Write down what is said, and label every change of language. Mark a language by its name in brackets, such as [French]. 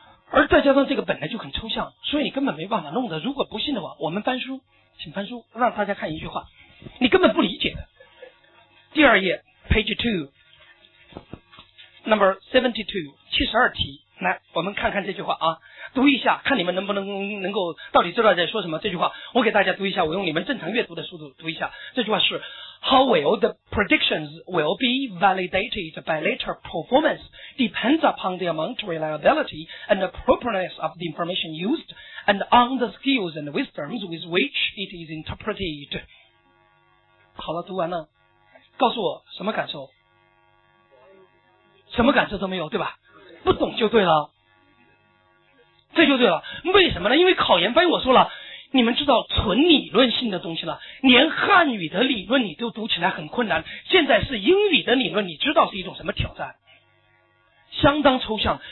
[Chinese] 而再加上这个本来就很抽象，所以你根本没办法弄的。如果不信的话，我们翻书，请翻书，让大家看一句话，你根本不理解的。第二页 page 2 number 72 72题，来我们看看这句话啊，读一下，看你们能够到底知道在说什么。这句话我给大家读一下，我用你们正常阅读的速度读一下。这句话是 [English] How will the predictions will be validated by later performance depends upon the amount of reliability and appropriateness of the information used and on the skills and wisdoms with which it is interpreted。 [Chinese] 好了，读完了，告诉我什么感受？什么感受都没有，对吧？不懂就对了，这就对了。为什么呢？因为考研翻译，我说了，你们知道纯理论性的东西了，连汉语的理论你都读起来很困难，现在是英语的理论，你知道是一种什么挑战？相当抽象。